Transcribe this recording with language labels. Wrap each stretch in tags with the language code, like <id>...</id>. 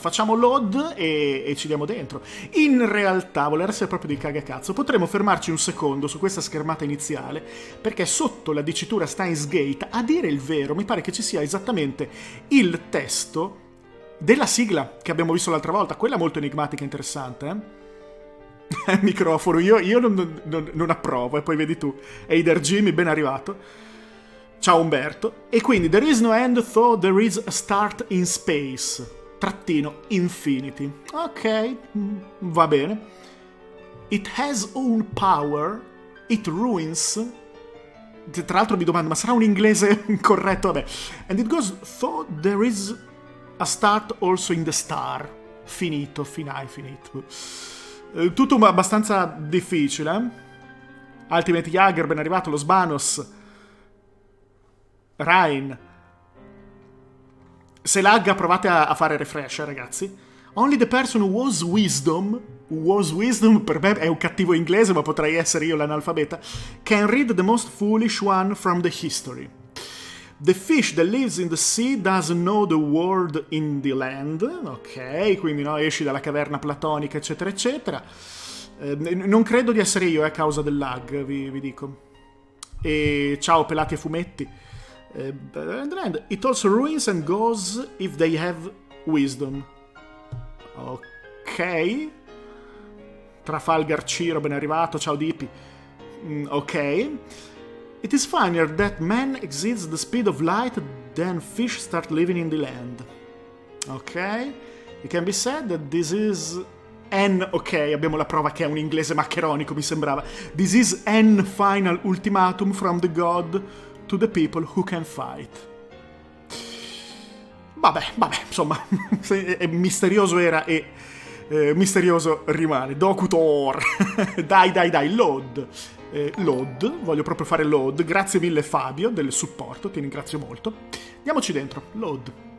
<it>Facciamo load e ci diamo dentro. In realtà, voler essere proprio di cagacazzo, potremmo fermarci un secondo su questa schermata iniziale, perché sotto la dicitura Steins Gate, a dire il vero, mi pare che ci sia esattamente il testo della sigla che abbiamo visto l'altra volta, quella molto enigmatica e interessante, eh? Microfono, io non approvo, e poi vedi tu. Eider Jimmy, ben arrivato. Ciao Umberto.</it> <en>E quindi, there is no end, though there is a start in space.</en> <it>_ infinity. Ok, va bene.</it> <en>It has own power, it ruins.</en> <it>Tra l'altro mi domando, ma sarà un inglese corretto? Vabbè.</it> <en>And it goes, though there is a start also in the star.</en> <it>Finito, finite. Tutto abbastanza difficile, eh? Ultimate Jagger, ben arrivato. Los Banos, Ryan. Se lagga, provate a fare refresh, ragazzi. Only the person who was wisdom. Was wisdom per me è un cattivo inglese, ma potrei essere io l'analfabeta.</it> <en>Can read the most foolish one from the history. The fish that lives in the sea does know the world in the land.</en> <it>Ok, quindi no, esci dalla caverna platonica, eccetera, eccetera. Non credo di essere io a causa del lag, vi dico. E ciao, pelati e fumetti.</it> <en>And it also ruins and goes if they have wisdom. Ok.</en> <it>Trafalgar Ciro, ben arrivato, ciao Dippy. Ok.</it> <en>It is funnier that man exceeds the speed of light than fish start living in the land. Ok. It can be said that this is an...</en> <it>Ok, abbiamo la prova che è un inglese maccheronico, mi sembrava.</it> <en>This is an final ultimatum from the god to the people who can fight.</en> <it>Vabbè, vabbè, insomma, è misterioso era e misterioso rimane. Docutor, dai, dai, dai, load. Load, voglio proprio fare load. Grazie mille Fabio del supporto, ti ringrazio molto. Andiamoci dentro, load.</it>